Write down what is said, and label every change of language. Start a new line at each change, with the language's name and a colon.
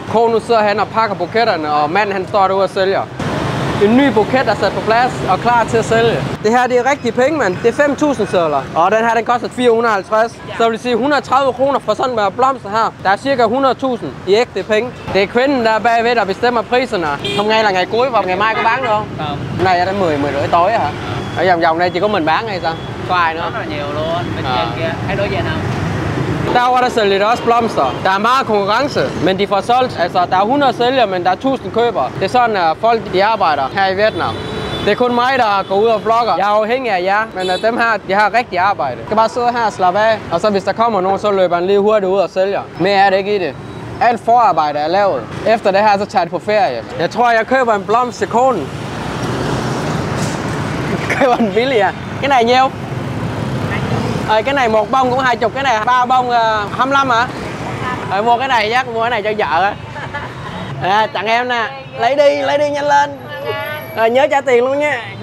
Danish: Kone nu sidder han og pakker buketterne, og manden han står derude og sælger. En ny buket er sat på plads og klar til at sælge. Det her det er rigtig penge, mand. Det er 5.000 sædler. Og den her den koster 450. Så vil det sige 130 kroner for sådan en blomster her. Der er cirka 100.000 i ægte penge. Det er kvinden, der er bagved og bestemmer priserne.
Vietnamese: Hôm nay là ngày cuối, và ngày mai có bán được không? Hôm nay
Danish: er det
Vietnamese: 10-10 tối hả? Ở vòng vòng đây chỉ có mình bán hay sao? Có ai nữa? Rất là nhiều luôn, bên trên kia. Thấy đối diện không?
Danish: Der var der sælger også blomster. Der er meget konkurrence, men de får solgt. Altså, der er 100 sælger, men der er 1000 køber. Det er sådan, at folk de arbejder her i Vietnam. Det er kun mig, der går ud og vlogger. Jeg er afhængig af jer, men dem her, de har rigtig arbejde. Jeg kan bare sidde her og slappe af. Og så hvis der kommer nogen, så løber han lige hurtigt ud og sælger. Mere er det ikke i det. alt forarbejde er lavet. Efter det her, så tager jeg på ferie. Jeg tror, jeg køber en blomst til konen. Køber den billig, ja.
Vietnamese: Cái này nhiêu? Ờ, cái này một bông cũng 20, cái này ba bông 25 hả? Ờ, mua cái này nhắc, mua cái này cho vợ á. À, tặng em nè, lấy đi nhanh lên. À, nhớ trả tiền luôn nha.